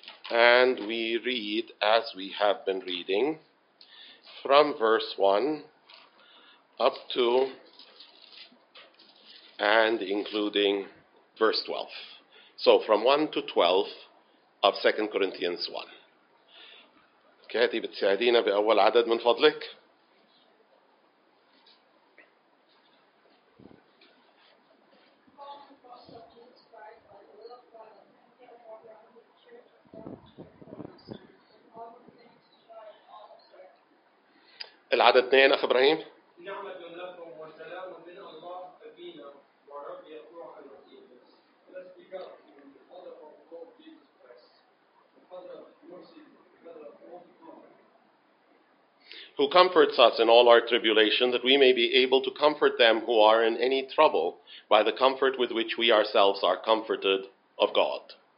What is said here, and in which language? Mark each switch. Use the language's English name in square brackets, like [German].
[English] And we read, as we have been reading, from verse 1 up to and including verse 12. So from 1 to 12 of 2 Corinthians 1. [Arabic] كاتي بتساعدينا بأول عدد من فضلك؟ العدد 2 أخ إبراهيم. نحمد الله وسلام من الله أبينا ورب يسوع المسيح. [English] Let's pick up from the Father of the Lord Jesus Christ, the Father of mercy, the Father of all comfort. Who comforts us in all our tribulation, that we may be able to comfort them who are in any trouble by the comfort with which we ourselves are comforted of God.